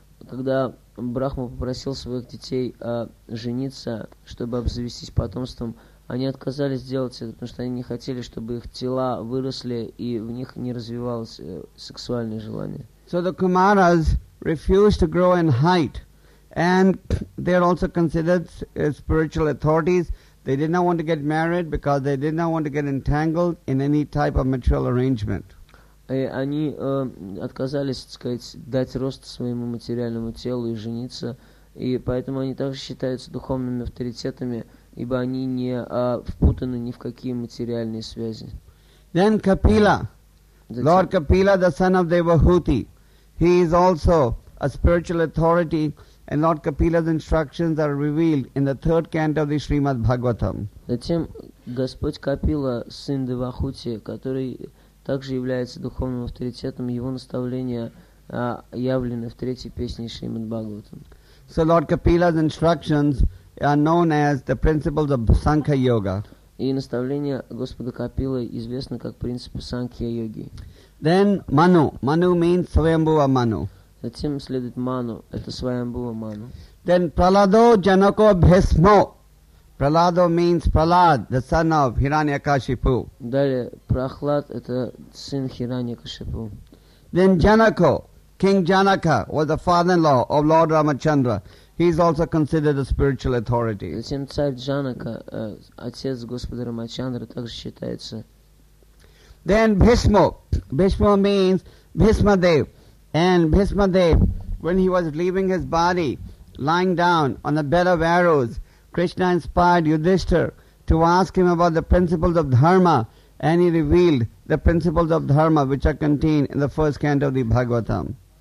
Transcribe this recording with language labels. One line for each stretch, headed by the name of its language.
Russian: Когда Брахма попросил своих детей жениться, чтобы обзавестись потомством, они отказались сделать это, потому что они не хотели, чтобы их тела выросли и в них не развивалось сексуальное желание.
English: So the Kumaras refused to grow in height, and they are also considered spiritual authorities. They did not want to get married because they did not want to get entangled in any type of material arrangement.
Russian: И они отказались, так сказать, дать рост своему материальному телу и жениться, и поэтому они также считаются духовными авторитетами, ибо они не впутаны ни в какие материальные связи.
English: Then Kapila, Lord Kapila, the son of Devahuti, he is also a spiritual authority, and Lord Kapila's instructions are revealed in the third canto of the Srimad Bhagavatam.
Russian: Затем Господь Капила, сын Девахути, который также является духовным авторитетом, его наставления явлены в третьей песне Шримад Бхагаватам.
English: So Lord Kapila's instructions are known as the principles of Sankhya Yoga.
Russian: И наставления Господа Капилы известны как принципы Санкхья Йоги.
English: Then Manu. Manu means Svayambhuva Manu.
Russian: Затем следует Manu. Это Svayambhuva Manu.
English: Then Prahlado Janako Bhismo. Prahlado means Prahlad, the son of Hiranyakashipu.
Russian: Далее, Прохлад – это сын Хираньякашипу.
English: Then Janako, King Janaka, was the father-in-law of Lord Ramachandra. He is also considered a spiritual authority.
Russian: Затем царь Джанака, отец Господа Рамачандра, также считается.
English: Then Bhishma. Bhishma means Bhishma Dev. And Bhishma Dev, when he was leaving his body, lying down on a bed of arrows, Krishna inspired Yudhishthira to ask him about the principles of dharma, and he revealed the principles of dharma which are contained in the first canto of the Bhagavatam.